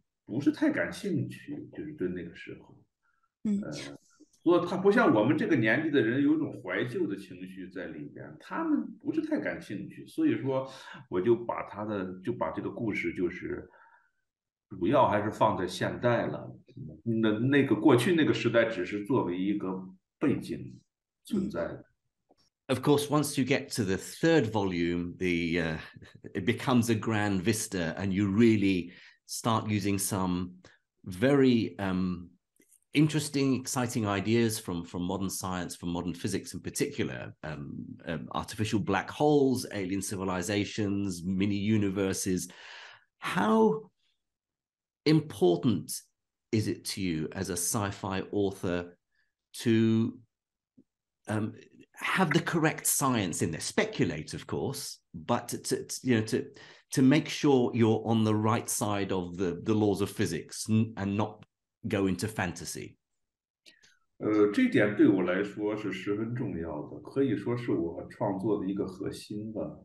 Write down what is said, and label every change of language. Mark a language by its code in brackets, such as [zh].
[zh] 不是太感兴趣，就是对那个时候，所以他不像我们这个年纪的人有一种怀旧的情绪在里边，他们不是太感兴趣，所以说我就把这个故事就是主要还是放在现代了，那个过去那个时代只是作为一个背景存在的。 [en] Of course, once you get to the third volume, it becomes a grand vista, and you really start using some very interesting, exciting ideas from modern science, from modern physics in particular, artificial black holes, alien civilizations, mini universes. How important is it to you as a sci-fi author to have the correct science in there, speculate, of course, but to make sure you're on the right side of the laws of physics and not go into fantasy? [zh] 这点对我来说是十分重要的，可以说是我创作的一个核心吧。